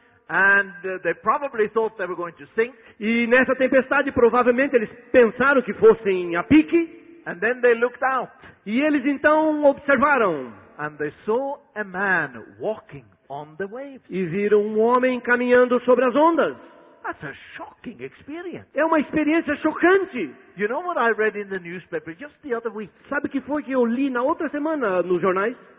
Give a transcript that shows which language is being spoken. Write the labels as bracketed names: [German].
[English] And they probably thought they were going to sink. [Portuguese] E nessa tempestade provavelmente eles pensaram que fossem a pique. [English] And then they looked out. [Portuguese] E eles então observaram. [English] And they saw a man walking on the waves. [Portuguese] E viram um homem caminhando sobre as ondas. [English] That's a shocking experience. [Portuguese] É uma experiência chocante. [English] You know what I read in the newspaper just the other week? [Portuguese] Sabe o que foi que eu li na outra semana nos jornais?